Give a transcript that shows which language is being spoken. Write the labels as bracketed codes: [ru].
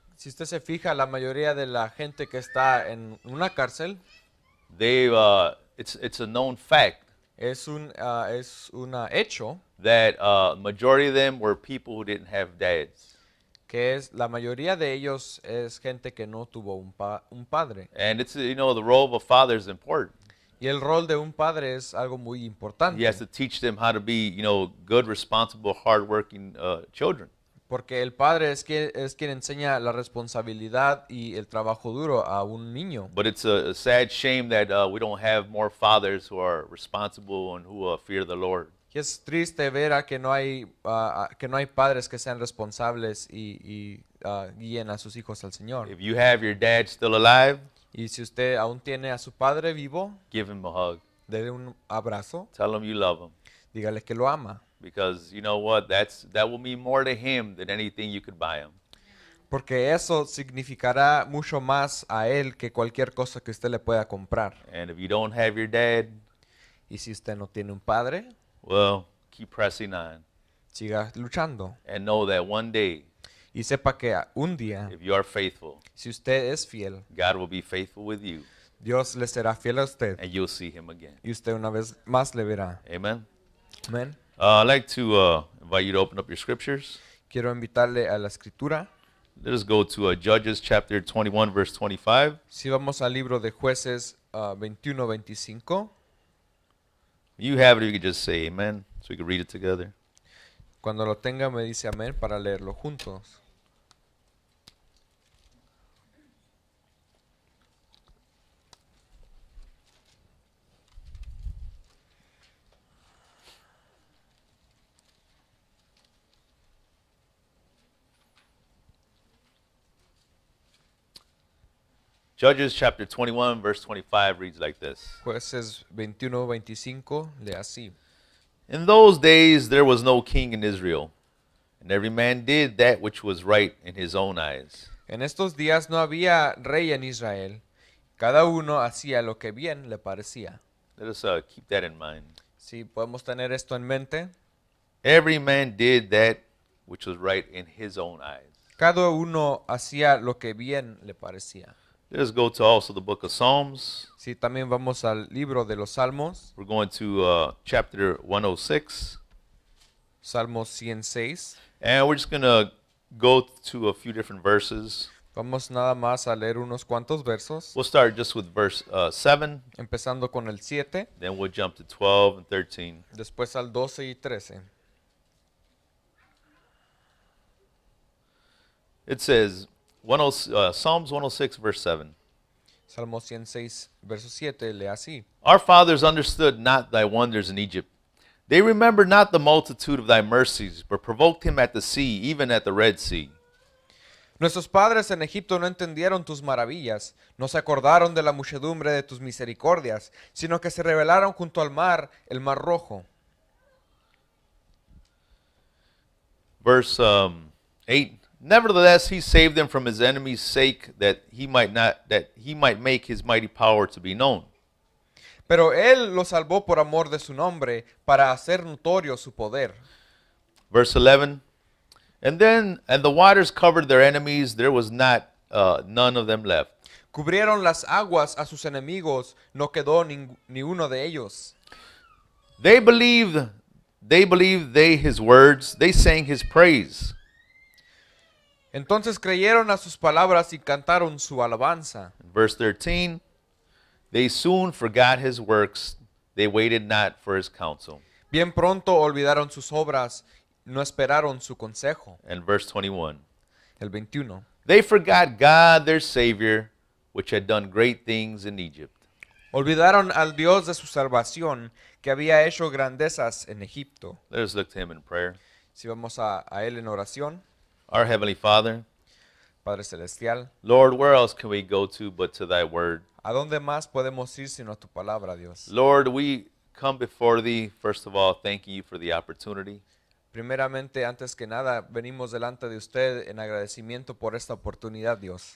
[es] Si usted se fija, la mayoría de la gente que está en una cárcel, [en] it's a known fact. [es] Es una hecho [en] that majority of them were people who didn't have dads. [es] Que es la mayoría de ellos es gente que no tuvo un padre. [en] And it's, you know, the role of a father is important. [es] Y el rol de un padre es algo muy importante. [en] He has to teach them how to be, you know, good, responsible, hardworking children. [es] Porque el padre es quien enseña la responsabilidad y el trabajo duro a un niño. [en] But it's a sad shame that we don't have more fathers who are responsible and who fear the Lord. [es] Y es triste ver a que no hay padres que sean responsables y guíen a sus hijos al Señor. [en] If you have your dad still alive, [es] y si usted aún tiene a su padre vivo, [en] give him a hug. [es] Dele un abrazo. [en] Tell him you love him. [es] Dígale que lo ama. [en] Because you know what, that will mean more to him than anything you could buy him. [es] Porque eso significará mucho más a él que cualquier cosa que usted le pueda comprar. [en] And if you don't have your dad, [es] y si usted no tiene un padre, [en] well, keep pressing on. [es] Siga luchando. [en] And know that one day, [es] y sepa que un día, [en] if you are faithful, [es] si usted es fiel, [en] God will be faithful with you. [es] Dios le será fiel a usted. [en] And you'll see him again. [es] Y usted una vez más le verá. [en] Amen. [es] Amen. [en] I'd like to invite you to open up your scriptures. [es] Quiero invitarle a la escritura. [en] Let us go to Judges chapter 21, verse 25. [es] Si vamos al libro de Jueces 21:25. [en] You have it, you can just say amen, so we can read it together. [es] Cuando lo tenga, me dice amén para leerlo juntos. [en] Judges chapter 21, verse 25 reads like this. [es] Jueces 21, 25, lee así. [en] In those days there was no king in Israel, and every man did that which was right in his own eyes. [es] En estos días no había rey en Israel. Cada uno hacía lo que bien le parecía. [en] Let us keep that in mind. [es] Sí, podemos tener esto en mente. [en] Every man did that which was right in his own eyes. [es] Cada uno hacía lo que bien le parecía. [en] Let's go to also the book of Psalms. [es] Sí, también vamos al libro de los Salmos. [en] We're going to chapter 106. [es] Salmos 106. [en] And we're just going to go to a few different verses. [es] Vamos nada más a leer unos cuantos versos. [en] We'll start just with verse 7. [es] Empezando con el 7. [en] Then we'll jump to 12 and 13. [es] Después al 12 y 13. [en] It says... Psalms 106, verse 7. [es] Salmo 106, verso 7, lee así. [en] Our fathers understood not thy wonders in Egypt. They remembered not the multitude of thy mercies, but provoked him at the sea, even at the Red Sea. [es] Nuestros padres en Egipto no entendieron tus maravillas, no se acordaron de la muchedumbre de tus misericordias, sino que se rebelaron junto al mar, el Mar Rojo. [en] Verse 8. Nevertheless, he saved them from his enemies' sake, that he might make his mighty power to be known. [es] Pero él lo salvó por amor de su nombre, para hacer notorio su poder. [en] Verse 11. And the waters covered their enemies, there was not none of them left. [es] Cubrieron las aguas a sus enemigos, no quedó ni uno de ellos. [en] They believed his words, they sang his praise. [es] Entonces creyeron a sus palabras y cantaron su alabanza. [en] Verse 13, they soon forgot his works, they waited not for his counsel. [es] Bien pronto olvidaron sus obras, no esperaron su consejo. [en] And verse 21, [es] el 21, [en] they forgot God their Savior, which had done great things in Egypt. [es] Olvidaron al Dios de su salvación, que había hecho grandezas en Egipto. [en] Let us look to him in prayer. [es] Si vamos a él en oración. [en] Our Heavenly Father, [es] Padre Celestial, [en] Lord, where else can we go to but to thy word? [es] ¿A dónde más podemos ir sino tu palabra, Dios? [en] Lord, we come before thee, first of all, thanking you for the opportunity. [es] Primeramente, antes que nada, venimos delante de usted en agradecimiento por esta oportunidad, Dios.